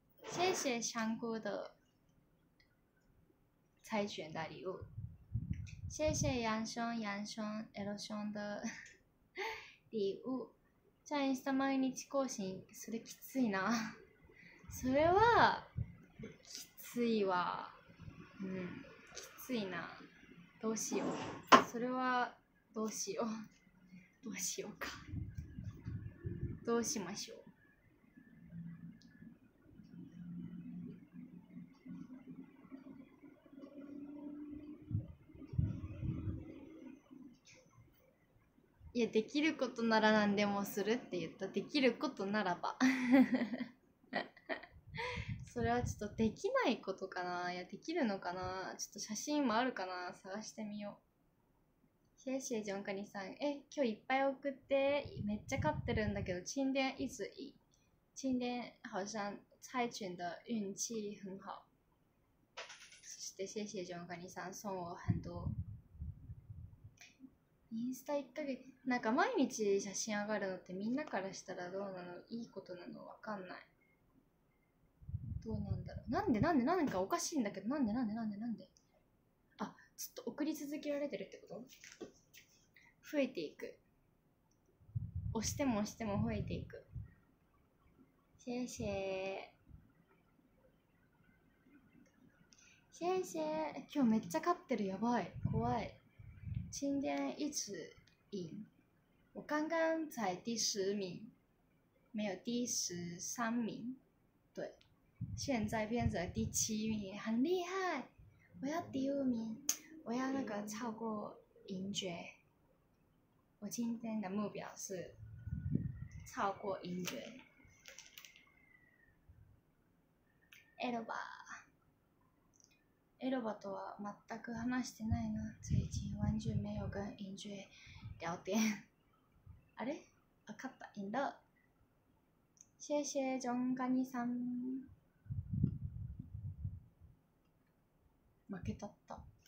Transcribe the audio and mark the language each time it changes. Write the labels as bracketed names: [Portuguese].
[Chinese] 谢谢香菇的猜拳的礼物。谢谢杨兄，杨兄 ，L 兄的礼物。 [Japanese] じゃあインスタ毎日更新、それきついな。それはきついわ。うん、きついな。どうしよう。それはどうしよう。どうしようか。どうしましょう。いや、できることなら何でもするって言った。できることならば。それはちょっとできないことかな。いや、できるのかな。ちょっと写真もあるかな、探してみよう。 [Chinese] シェシェ [Japanese] ジョンカニさん、え、今日いっぱい送って、めっちゃ買ってるんだけど。 [Chinese] 今天一直以今天好像猜拳的運氣很好。 [Japanese] そして [Chinese] シェシェジョンカニさん、送我很多。 [Japanese] インスタ1ヶ月、なんか毎日写真上がるのってみんなからしたらどうなの、いいことなの、わかんない。どうなんだろう。なんかおかしいんだけど、なんで。あ、ずっと送り続けられてるってこと？増えていく。押しても増えていく。 [Chinese] シェシェ。シェシェ。 [Japanese] 今日めっちゃ勝ってる、やばい、怖い。 [Chinese] 今天一直赢，我刚刚才第十名，没有第十三名，对，现在变成第七名，很厉害！我要第五名，我要那个超过银爵。我今天的目标是超过银爵。 [Japanese] エロバ。エロバとは全く話してないな。 [Chinese] 最近完全没有跟英爵聊天。 [Japanese] あれ？わかった。インド。 [Chinese] 谢谢 [Japanese] ジョンカニさん。負けたった。